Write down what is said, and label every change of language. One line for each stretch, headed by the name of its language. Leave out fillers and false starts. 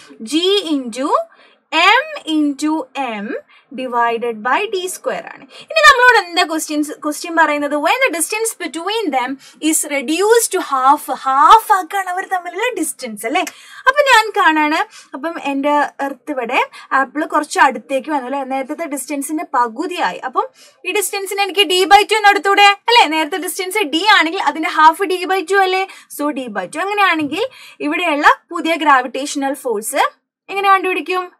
English: G into M into M divided by D square ആണ്.
Malayalam: ഇനി നമ്മളോട് എന്താ question പറയുന്നത്?
English: When the distance between them is reduced to half,
Malayalam: half ആക്കാണ് അവർ തമ്മിലുള്ള distance അല്ലേ. അപ്പൊ ഞാൻ കാണാണ്, അപ്പം എന്റെ എർത്ത് ഇവിടെ, ആപ്പിള് കുറച്ച് അടുത്തേക്ക് വന്നു അല്ലേ, നേരത്തെ ഡിസ്റ്റൻസിന്റെ പകുതിയായി. അപ്പം ഈ ഡിസ്റ്റൻസിന് എനിക്ക് ഡി ബൈ ടു എന്നടുത്തൂടെ അല്ലേ, നേരത്തെ ഡിസ്റ്റൻസ് ഡി ആണെങ്കിൽ അതിന്റെ ഹാഫ് ഡി ബൈ ടു അല്ലേ, സോ ഡി ബൈ ടു. അങ്ങനെയാണെങ്കിൽ ഇവിടെയുള്ള പുതിയ ഗ്രാവിറ്റേഷണൽ ഫോഴ്സ് എങ്ങനെ കണ്ടുപിടിക്കും?